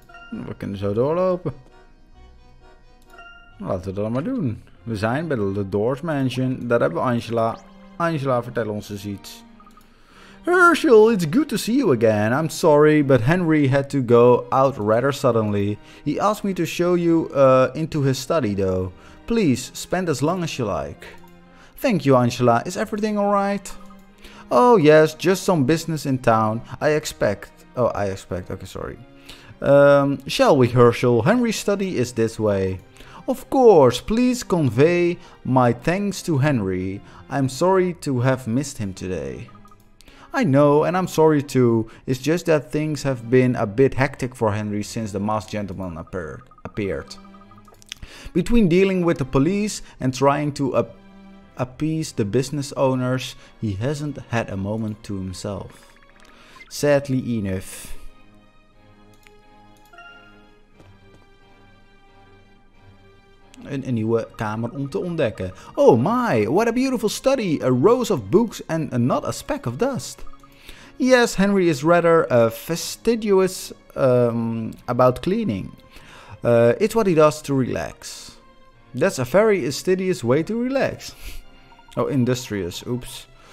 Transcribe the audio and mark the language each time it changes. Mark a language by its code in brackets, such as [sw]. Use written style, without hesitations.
[nl] We kunnen zo doorlopen. Laten we dat maar doen. We zijn bij de Ladore's Mansion. Daar hebben we Angela. Angela, vertel ons eens iets. [en] Herschel, it's good to see you again. I'm sorry, but Henry had to go out rather suddenly. He asked me to show you into his study, though. Please, spend as long as you like. Thank you, Angela. Is everything all right? Oh, yes, just some business in town. I expect. Shall we, Herschel? Henry's study is this way. Of course, please convey my thanks to Henry. I'm sorry to have missed him today. I know, and I'm sorry too. It's just that things have been a bit hectic for Henry since the masked gentleman appeared. Between dealing with the police and trying to appease the business owners, he hasn't had a moment to himself. Sadly enough. [nl] Een nieuwe kamer om te ontdekken. [en] Oh my, what a beautiful study. A rows of books and not a speck of dust. Yes, Henry is rather fastidious about cleaning. It's what he does to relax. That's a very fastidious way to relax. Oh, industrious. Oops.